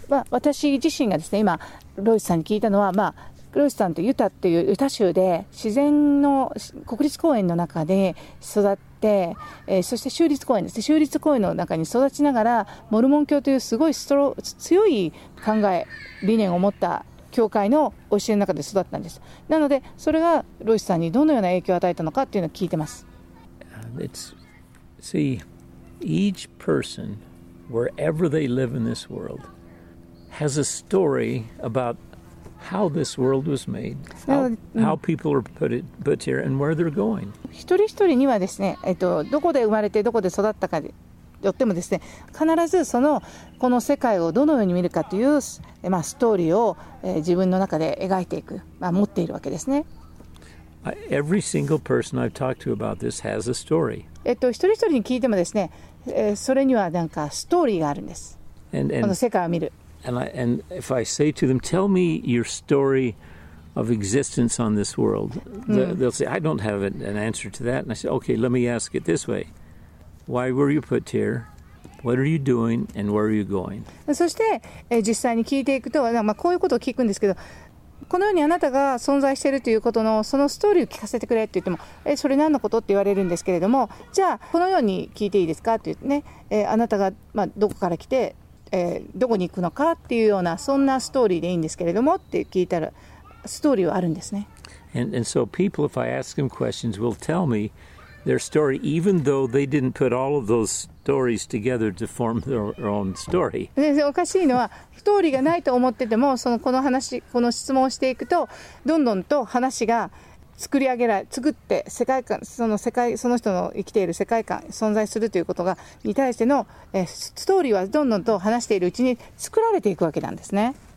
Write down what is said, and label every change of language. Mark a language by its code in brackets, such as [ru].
[ja] Well, 私自身がですね、今ロイスさんに聞いたのは、まあ、ロイスさんとユタっていうユタ州で自然の国立公園の中で育って、そして州立公園ですね、州立公園の中に育ちながらモルモン教というすごい強い考え理念を持った教会の教えの中で育ったんです。なのでそれがロイスさんにどのような影響を与えたのかっていうのを聞いてます。 [en] See, each person wherever they live in this world has a story about how this world was made, how people are put here and where they're going. [ja] 一人一人にはですね、どこで生まれてどこで育ったかでよってもですね、必ずそのこの世界をどのように見るかという、まあ、ストーリーを、自分の中で描いていく、まあ、持っているわけですね。 [en] Every single person I've talked to about this has a story. [ja] 一人一人に聞いてもですね、それにはなんかストーリーがあるんです。この世界を見る。 [en] And if I say to them, tell me your story. Of existence on this world, they'll say, "I don't have an answer to that." And I say, "Okay, let me ask it this way: Why were you put here? What are you doing? And where are you going?" [ja] そして、実際に聞いていくと、まあこういうことを聞くんですけど、このようにあなたが存在しているということのそのストーリーを聞かせてくれって言っても、それ何のことって言われるんですけれども、じゃあこのように聞いていいですかって言ってね、あなたがまあどこから来て、どこに行くのかっていうようなそんなストーリーでいいんですけれどもって聞いたら。ストーリーはあるんですね。 [en] And so people, if I ask them questions, will tell me their story, even though they didn't put all of those stories together to form their own story. [ja] おかしいのは、ストーリーがないと思ってても、その、この話、この質問をしていくと、どんどんと話が作り上げられ、作って世界観、その世界、その人の生きている世界観、存在するということが、に対しての、ストーリーはどんどんと話しているうちに作られていくわけなんですね。